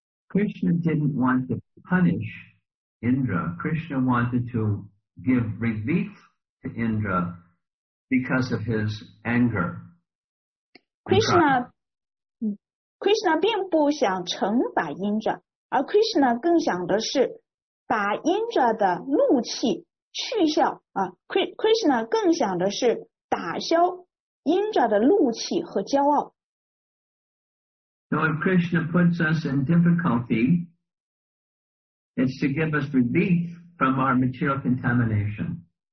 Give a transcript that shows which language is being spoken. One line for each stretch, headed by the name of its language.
English: Krishna didn't want to punish Indra. Krishna wanted to give relief to Indra because of his anger.
Chinese: Krishna 并不想惩罚Indra, 而Krishna更想的是把Indra的怒气去消, Krishna更想的是打消Indra的怒气和骄傲。
English: So if Krishna puts us in difficulty, it's to give us relief from our material contamination.